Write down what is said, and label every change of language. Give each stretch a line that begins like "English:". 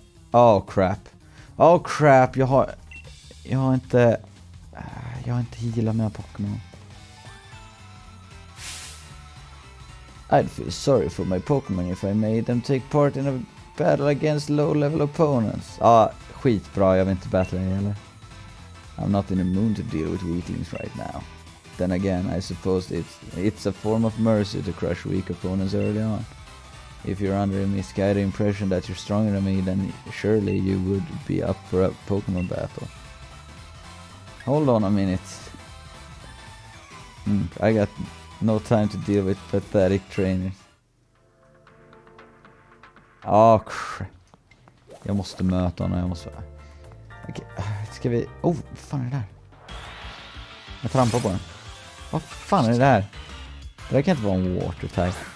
English: Oh crap,
Swedish: jag har inte healat mina Pokémon.
English: I'd feel sorry for my Pokémon if I made them take part in a battle against low-level opponents.
Swedish: Skitbra, jag vill inte battle heller.
English: I'm not in a mood to deal with weaklings right now. Then again, I suppose it's a form of mercy to crush weak opponents early on. If you're under a misguided impression that you're stronger than me, then surely you would be up for a Pokémon battle. Hold on a minute. I got no time to deal with pathetic trainers. Oh, crap.
Swedish: Jag måste möta honom, jag måste... Okej, ska vi... Oh, vad fan är det där? Jag trampar på den. Vad fan är det där? Det där kan inte vara en water type.